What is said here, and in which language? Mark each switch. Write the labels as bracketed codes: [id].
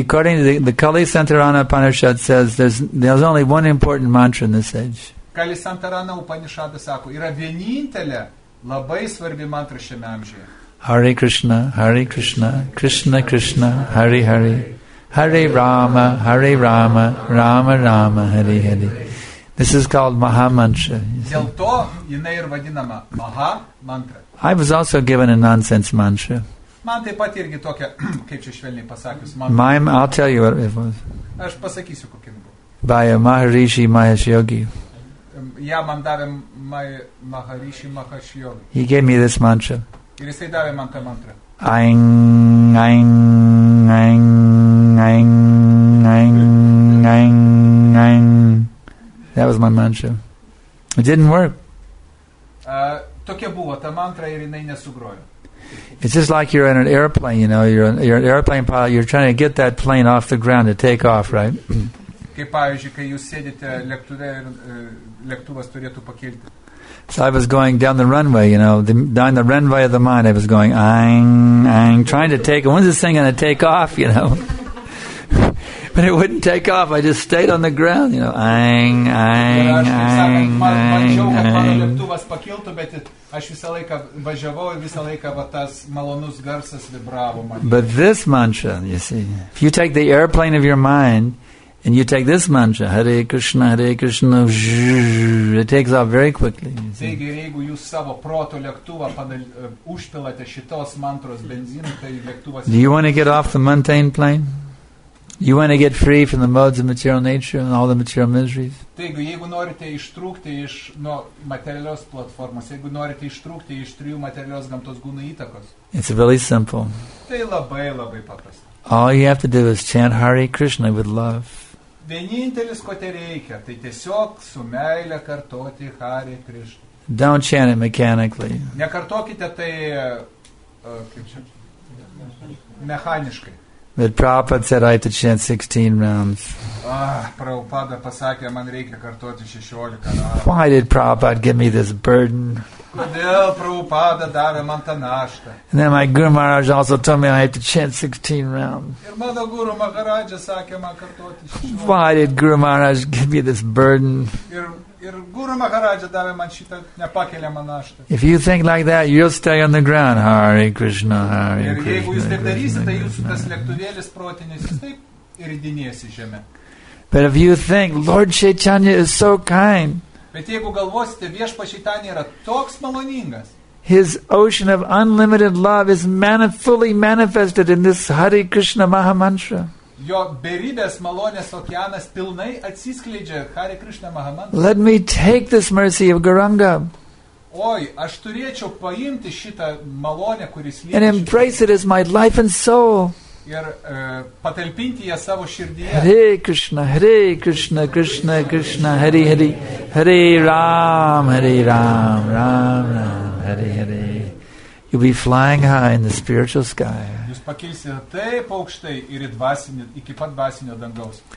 [en] According to the Kali Santarana Upanishad says there's only one important mantra in this age. [lt] Kali Santarana Upanishadas sako, yra vienintelė labai svarbi mantra šiame amžiuje. [sa] Hare Krishna, Hare Krishna, Krishna Krishna, Hare Hare, Hare Rama, Hare Rama, Rama Rama, Hare Hare. [en] This is called Maha Mantra. [lt] Dėl to jinai ir vadinama Maha Mantra. [en] I was also given a nonsense mantra. [lt] Man taip pat irgi tokia, kaip čia švelniai pasakius, [en] mantra. I'll tell you what it was. [lt] Aš pasakysiu, kokia buvo. [en] By a Maharishi Mahesh Yogi. [lt] Ja man davė Maharishi Mahesh Yogi. [en] He gave me this mantra. [lt] Ir jisai davė man tą mantrą. [en] Aing, aing, aing, aing, aing, aing, aing. That was my mantra. It didn't work. [lt] Tokia buvo ta mantra ir jinai nesugrojo. [en] It's just like you're in an airplane, you know, you're an airplane pilot, you're trying to get that plane off the ground to take off, right? [lt] Kaip pavyzdžiui, kai jūs sėdite lėktuve ir lėktuvas turėtų pakilti. [en] So I was going down the runway, you know, down the runway of the mind. I was going, aing, aing, trying to take, when's this thing going to take off, you know? But it wouldn't take off. I just stayed on the ground, you know, aing, aing, aing, aing, aing. [lt] Mačiau, kad mano lėktuvas pakiltų, bet aš visą laiką važiavau ir visą laiką va tas malonus garsas vibravo man. [en] But this mantra, you see, if you take the airplane of your mind, and you take this mantra, Hare Krishna, zzz, it takes off very quickly. [lt] Taigi, jeigu jūs savo proto lėktuvą užpilate šitos mantros benzinu, tai lėktuvas... [en] Do you want to get off the mundane plane? You want to get free from the modes of material nature and all the material miseries? [lt] Taigi, jeigu norite ištrūkti iš nuo materialios platformos, jeigu norite ištrūkti iš trijų materialios gamtos gūnų įtakos... [en] It's really simple. [lt] Tai labai, labai paprasta. [en] All you have to do is chant Hare Krishna with love. [lt] Vienintelis, ko te reikia, tai tiesiog su meilė kartoti Hare Krishna. [en] Don't chant it mechanically. [lt] Nekartokite tai, kaip čia, [ru] Механически. [en] That Prabhupada said I have to chant 16 rounds. [lt] Prabhupada pasakė, man reikia kartoti 16 [en] rounds. Why did Prabhupada give me this burden? [lt] Kodėl Prabhupada davė man tą naštą? [en] And then my Guru Maharaj also told me I have to chant 16 rounds. [lt] Ir mano Guru Maharaj sakė, man kartoti 16. [en] Why did Guru Maharaj give me this burden? [lt] Ir Guru Maharaj davė man šitą nepakeliamą naštą. [en] If you think like that, you'll stay on the ground. [sa] Hare Krishna, Hare [lt] ir [sa] Krishna. [lt] Jeigu jūs taip darysite, tai jūsų tas lėktuvėlis protinis, jis taip ir įdinėsi žemę. [en] But if you think, Lord Chaitanya is so kind. [lt] Bet jeigu galvosite, Viešpats Chaitanya yra toks maloningas. [en] His ocean of unlimited love is fully manifested in this Hare Krishna Maha Mantra. [lt] Jo beribės malonės okeanas pilnai atsiskleidžia Hare Krishna Maha Mantra. [en] Let me take this mercy of Gauranga. [lt] Oi, aš turėčiau paimti šitą malonę, kuris lieka. [en] And embrace it as my life and soul. [lt] Ir patalpinti ją savo širdyje. [sa] Hare Krishna, Krishna, Krishna, Hare Hare, Hare Ram, Hare Ram, Ram Ram, Hare Hare. [en] You'll be flying high in the spiritual sky. [lt] Jūs pakilsite taip aukštai ir iki pat dvasinio dangaus.